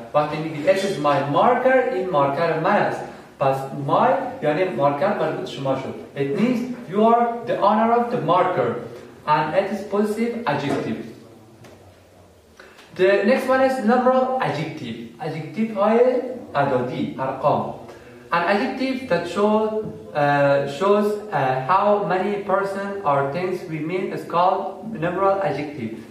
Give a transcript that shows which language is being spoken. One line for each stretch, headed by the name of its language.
Persian: وقتی میگید
English: it is my marker,
Persian: این marker من است. پس my یعنی marker مربوط شما شد.
English: It means you are the owner of the marker. And it is possessive adjective. The next one is numeral adjective.
Persian: Adjective های عددی، ارقام.
English: An adjective that shows how many person or things we mean is called numeral adjective.